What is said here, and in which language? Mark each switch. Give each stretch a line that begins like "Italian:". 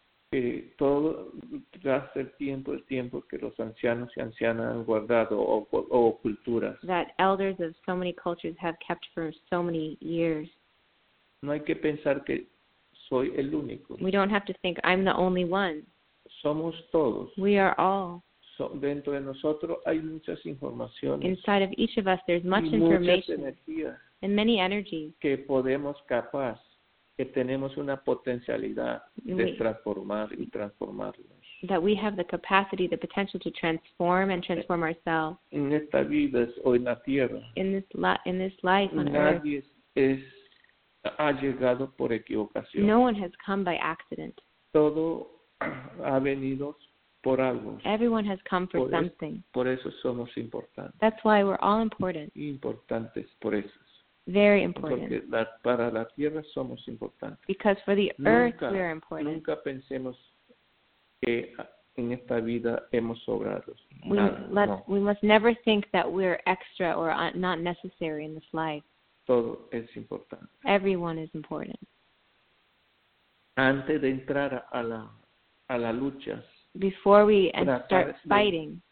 Spanish: Que todo tras el tiempo que los ancianos y ancianas han guardado o culturas.
English: That elders of so many cultures have kept for so many years.
Spanish: No hay que pensar que soy el único.
English: We don't have to think I'm the only one.
Spanish: Somos todos.
English: We are all.
Spanish: So, dentro de nosotros hay muchas informaciones.
English: Inside of each of us, there's much
Spanish: y
English: information.
Spanish: Energías.
English: And many energies.
Spanish: Que podemos capaz, que tenemos una potencialidad de transformar y transformarnos.
English: That we have the capacity, the potential to transform and transform ourselves.
Spanish: En esta vida o en la tierra.
English: In this life on
Spanish: nadie
English: earth.
Spanish: Ha llegado por equivocación.
English: No one has come by accident.
Spanish: Todo ha venido por algo.
English: Everyone has come for something.
Spanish: Por eso somos importantes.
English: That's why we're all important.
Spanish: Importantes por eso.
English: Very important.
Spanish: Porque para la tierra somos importantes.
English: Because for the earth we are important.
Spanish: Nunca pensemos que en esta vida hemos sobrado.
English: We must never think that we're extra or not necessary in this life.
Spanish: Todo es importante.
English: Everyone is important.
Spanish: Antes de entrar a la lucha.
English: Before we start fighting.